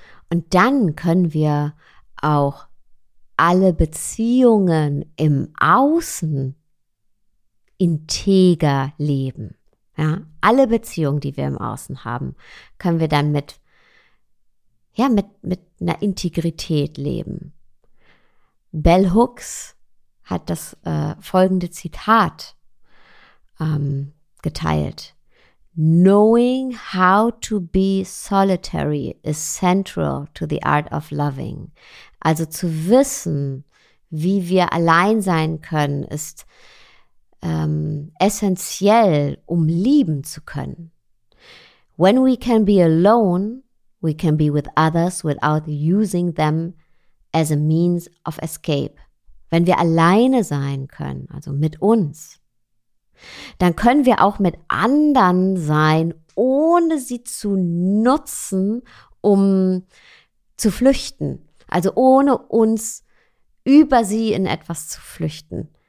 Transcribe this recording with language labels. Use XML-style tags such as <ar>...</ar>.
<de>Und dann können wir auch alle Beziehungen im Außen integer leben. Ja, alle Beziehungen, die wir im Außen haben, können wir dann mit einer Integrität leben. Bell Hooks hat das folgende Zitat geteilt.</de> <en>Knowing how to be solitary is central to the art of loving.</en> <de>Also zu wissen, wie wir allein sein können, ist essentiell, um lieben zu können.</de> <en>When we can be alone, we can be with others without using them as a means of escape.</en> <de>Wenn wir alleine sein können, also mit uns, dann können wir auch mit anderen sein, ohne sie zu nutzen, um zu flüchten. Also ohne uns über sie in etwas zu flüchten.</de>